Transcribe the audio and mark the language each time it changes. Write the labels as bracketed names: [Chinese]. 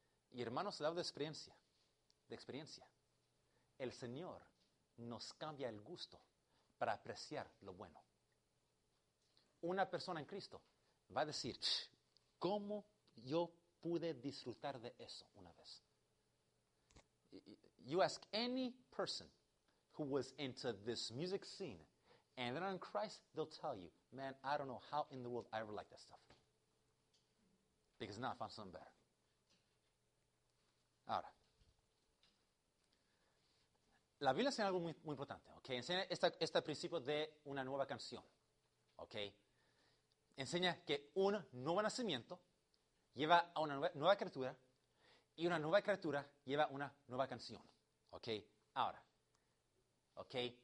[Spanish] Y hermanos, dado de experiencia, el Señor nos cambia el gusto para apreciar lo bueno. Una persona en Cristo va a decir, ¿cómo yo pude disfrutar de eso una vez? [English] You ask any person who was into this music scene and they're in Christ, they'll tell you, man, I don't know how in the world I ever liked that stuff. Because now I found something better. [Spanish] Ahora, la Biblia enseña algo muy, muy importante, ¿ok? Enseña este principio de una nueva canción, ¿ok? Enseña que un nuevo nacimiento lleva a una nueva criatura y una nueva criatura lleva a una nueva canción. ¿Ok? Ahora. ¿Ok?